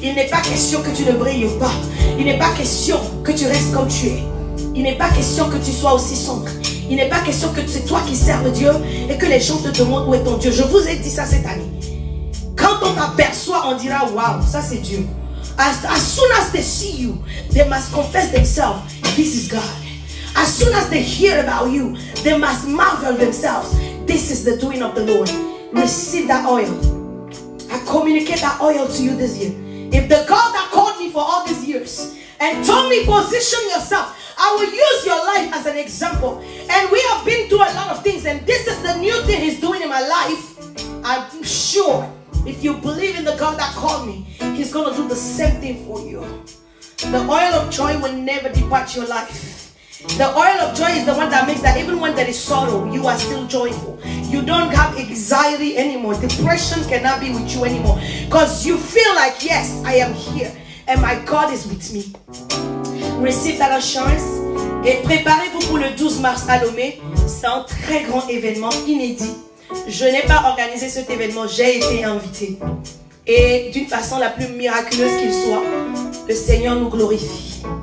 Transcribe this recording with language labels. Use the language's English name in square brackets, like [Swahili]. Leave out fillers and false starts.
[French] Il n'est pas question que tu ne brilles pas. Il n'est pas question que tu restes comme tu es. Il n'est pas question que tu sois aussi sombre. Il n'est pas question que c'est toi qui serves Dieu et que les gens te demandent où est ton Dieu. Je vous ai dit ça cette année. Quand on t'aperçoit, on dira « Waouh, ça c'est Dieu ». [English] As soon as they see you, they must confess themselves, this is God. As soon as they hear about you, they must marvel themselves, this is the doing of the Lord. Receive that oil. I communicate that oil to you this year. If the God that called me for all these years and told me position yourself, I will use your life as an example. And we have been through a lot of things, and this is the new thing he's doing in my life. I'm sure if you believe in the God that called me, he's going to do the same thing for you. The oil of joy will never depart your life. The oil of joy is the one that makes that even when there is sorrow, you are still joyful. You don't have anxiety anymore. Depression cannot be with you anymore. Because you feel like, yes, I am here. And my God is with me. Receive that assurance. [French] Et préparez-vous pour le 12 mars à Lomé. C'est un très grand événement inédit. Je n'ai pas organisé cet événement. J'ai été invité. Et d'une façon la plus miraculeuse qu'il soit, le Seigneur nous glorifie.